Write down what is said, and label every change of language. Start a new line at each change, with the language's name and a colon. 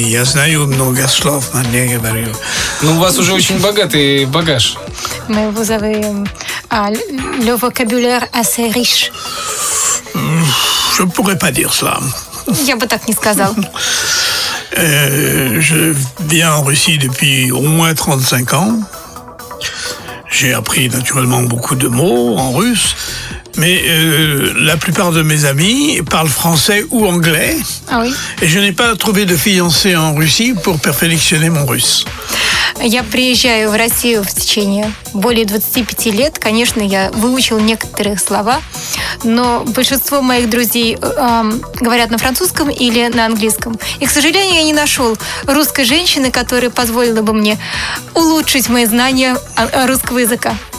Russian: Я знаю много слов, но не говорю. Ну, у вас уже очень богатый багаж.
French: Мы vous avez le vocabulaire assez riche. Je pourrais pas dire cela.
Russian: Я бы так не сказал.
French: Je viens en Russie depuis au moins 35 ans. J'ai appris naturellement beaucoup de mots en russe. Mais la plupart de mes amis parlent français ou anglais. Ah oui. Et je n'ai pas trouvé de fiancé en Russie pour perfectionner mon russe.
Russian: Я приезжаю в Россию в течение более 25 лет. Конечно, я выучил некоторые слова, но большинство моих друзей говорят на французском или на английском. И, к сожалению, я не нашел русской женщины, которая позволила бы мне улучшить мои знания русского языка.